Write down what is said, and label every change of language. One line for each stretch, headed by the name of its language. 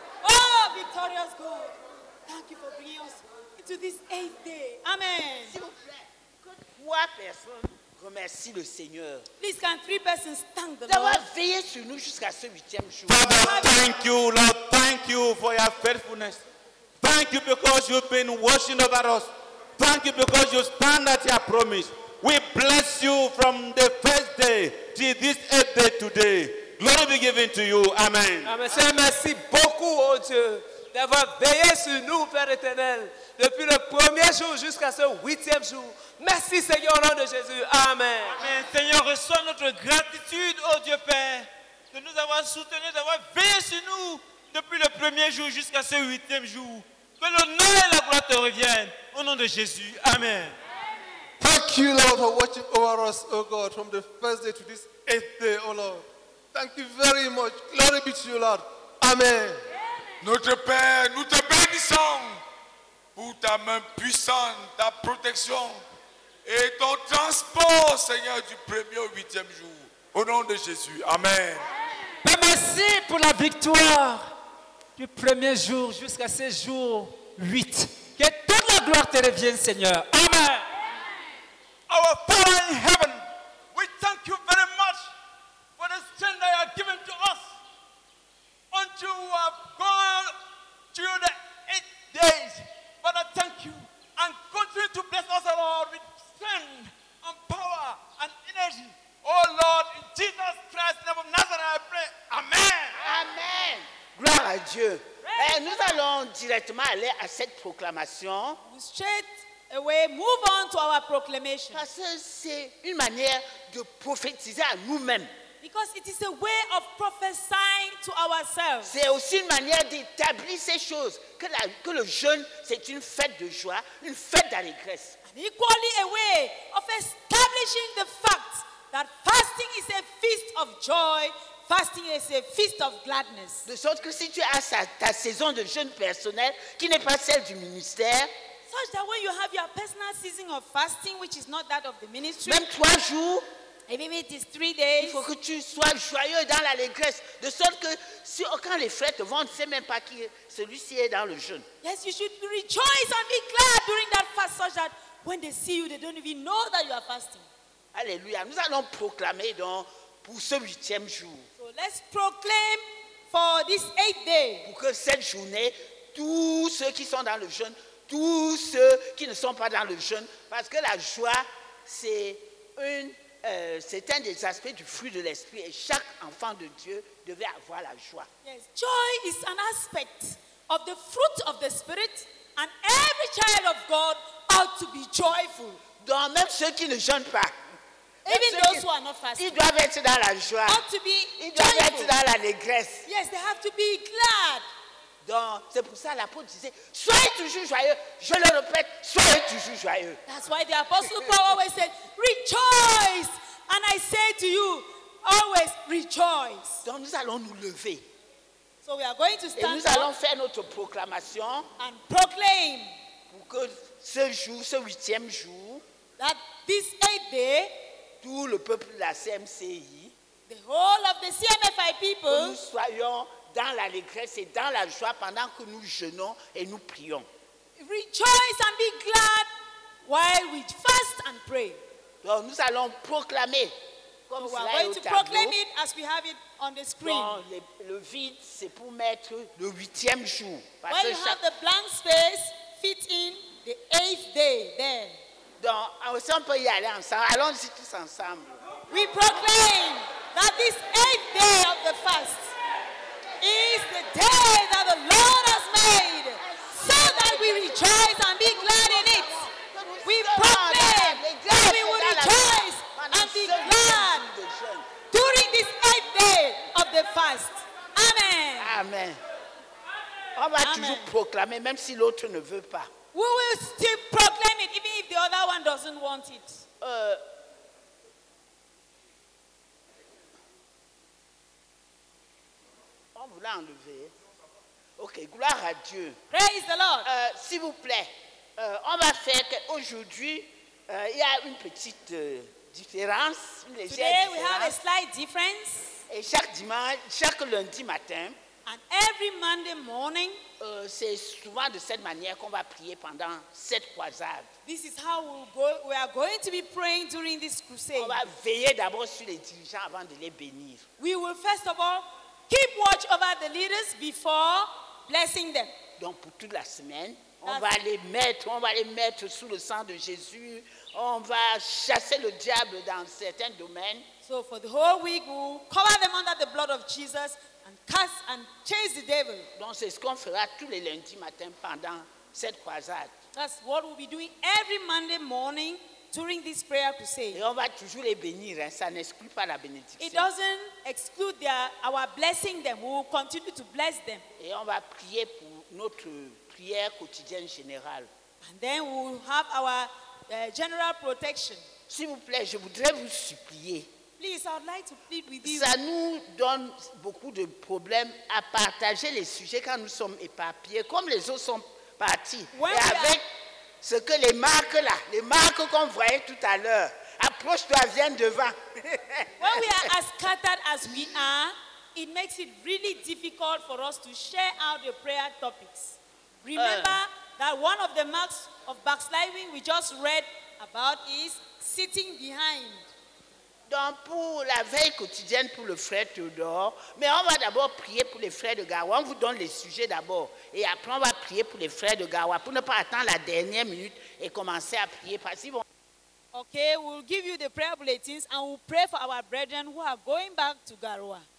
English: Oh, victorious God, thank you for bringing us into this eighth day. Amen.
French: S'il vous plaît, que trois personnes remercient le Seigneur.
English: Please, can three persons thank the Lord?
French: D'avoir veillé sur nous jusqu'à ce huitième jour.
English: Father, thank you, Lord. Thank you for your faithfulness. Thank you because you've been watching over us. Thank you because you stand at your promise. We bless you from the first day to this eighth day today. Glory be given to you. Amen. Amen.
French: Seigneur, merci beaucoup, oh Dieu, d'avoir veillé sur nous, Père éternel, depuis le premier jour jusqu'à ce huitième jour. Merci, Seigneur, au nom de Jésus. Amen. Amen. Seigneur, reçois notre gratitude, oh Dieu Père, de nous avoir soutenus, d'avoir veillé sur nous depuis le premier jour jusqu'à ce huitième jour. Que l'honneur et la gloire te reviennent, au nom de Jésus. Amen. Amen.
English: Thank you, Lord, for watching over us, oh God, from the first day to this eighth day, oh Lord. Thank you very much. Glory be to you, Lord. Amen.
French: Notre Père, nous te bénissons pour ta main puissante, ta protection et ton transport, Seigneur, du premier au huitième jour. Au nom de Jésus. Amen. Père, merci pour la victoire du premier jour jusqu'à ce jour 8. Que toute la gloire te revienne, Seigneur. Amen.
English: Our Father in heaven, we thank you very much for the strength that you have given to us. Until we have gone through the 8 days, Father, thank you. And continue to bless us, Lord, with strength and power and energy. Oh, Lord, in Jesus Christ, name of Nazareth, I pray. Amen.
French: Amen. Gloire à Dieu. Hey, nous allons directement aller à cette proclamation.
English: Straight away, move on to our proclamation.
French: Parce que c'est une manière de prophétiser à nous-mêmes.
English: Because it is a way of prophesying to ourselves.
French: C'est aussi une manière d'établir ces choses. Que le jeûne, c'est une fête de joie, une fête d'allégresse.
English: And equally a way of establishing the fact that fasting is a feast of joy, fasting is a feast of gladness.
French: De sorte que si tu as ta saison de jeûne personnelle, qui n'est pas celle du ministère,
English: such that when you have your personal season of fasting, which is not that of the ministry,
French: même 3 jours,
English: And maybe it is 3 days.
French: Il faut que tu sois joyeux dans l'allégresse, de sorte que si aucun des frères te voit, on ne sait même pas qui celui-ci est dans le jeûne.
English: Yes, you should rejoice and be glad during that fast, such that when they see you, they don't even know that you are fasting.
French: Alléluia. Nous allons proclamer donc pour ce huitième jour.
English: So let's proclaim for this 8th day.
French: Pour que cette journée, tous ceux qui sont dans le jeûne, tous ceux qui ne sont pas dans le jeûne, parce que la joie, c'est un des aspects du fruit de l'esprit, et chaque enfant de Dieu devait avoir la joie.
English: Yes, joy is an aspect of the fruit of the spirit, and every child of God ought to be joyful.
French: Donc même ceux qui ne jeûnent pas,
English: even those who are not fasting,
French: ils doivent être dans la joie.
English: Ought to be joyful.
French: Ils doivent être dans l'allégresse.
English: Yes, they have to be glad.
French: Donc, c'est pour ça l'apôtre disait, soyez toujours joyeux. Je le répète, soyez toujours joyeux.
English: That's why the apostle Paul always said, rejoice. And I say to you, always rejoice.
French: Donc, nous allons nous lever.
English: So we are going to stand
French: up. Et nous allons faire notre proclamation.
English: And proclaim.
French: Pour que ce jour, ce huitième jour,
English: that this 8th day,
French: tout le peuple de la CMCI,
English: the whole of the CMFI people,
French: que nous soyons dans l'allégresse et dans la joie pendant que nous jeûnons et nous prions.
English: Rejoice and be glad while we fast and pray.
French: Donc nous allons proclamer comme cela est au tableau.
English: We are going to proclaim it as we have it on the screen.
French: Donc, le vide, c'est pour mettre le huitième jour.
English: Parce while que you have the blank space, fit in the 8th day then.
French: Donc aussi on peut y aller ensemble. Allons-y tous ensemble.
English: We proclaim that this 8th day of the fast is the day that the Lord has made, so that we rejoice and be glad in it. We proclaim that we will rejoice and be glad during this 8th day of the fast. Amen. Amen.
French: On va toujours proclamer, même si l'autre ne veut pas.
English: We will still proclaim it, even if the other one doesn't want it.
French: Vous l'avez enlevé. Ok, gloire à Dieu.
English: Praise the Lord.
French: S'il vous plaît, on va faire qu'aujourd'hui, il y a une petite différence, une légère
English: Today
French: différence.
English: We have a slight difference.
French: Et chaque dimanche, chaque lundi matin,
English: and every Monday morning,
French: c'est souvent de cette manière qu'on va prier pendant cette croisade.
English: This is how we are going to be praying during this crusade.
French: On va veiller d'abord sur les dirigeants avant de les bénir.
English: We will first of all keep watch over the leaders before blessing them.
French: Donc pour toute la semaine, on va les mettre sous le sang de Jésus. On va chasser le diable dans certains domaines.
English: So for the whole week, we'll cover them under the blood of Jesus and cast and chase the devil.
French: Donc c'est ce qu'on fera tous les lundis matin pendant cette croisade.
English: That's what we'll be doing every Monday morning during this prayer crusade.
French: Et on va toujours les bénir, hein? Ça n'exclut pas la bénédiction.
English: It doesn't exclude our blessing them. We will continue to bless them.
French: Et on va prier pour notre prière quotidienne générale.
English: And then we will have our general protection.
French: S'il vous plaît, je voudrais vous supplier.
English: Please, I would like to plead with you.
French: Ça nous donne beaucoup de problèmes à partager les sujets quand nous sommes éparpillés, comme les autres sont partis.
English: When
French: et avec ce que les marques là, les marques qu'on voyait tout à l'heure, approche-toi, viens devant.
English: When we are as scattered as we are, it makes it really difficult for us to share out the prayer topics. Remember that one of the marks of backsliding we just read about is sitting behind.
French: Donc pour la veille quotidienne pour le frère Théodore, mais on va d'abord prier pour les frères de Gawa. On vous donne les sujets d'abord et après on va prier pour les frères de Gawa pour ne pas attendre la dernière minute et commencer à prier parce qu'ils vont.
English: Okay, we'll give you the prayer bulletins and we'll pray for our brethren who are going back to Garoua.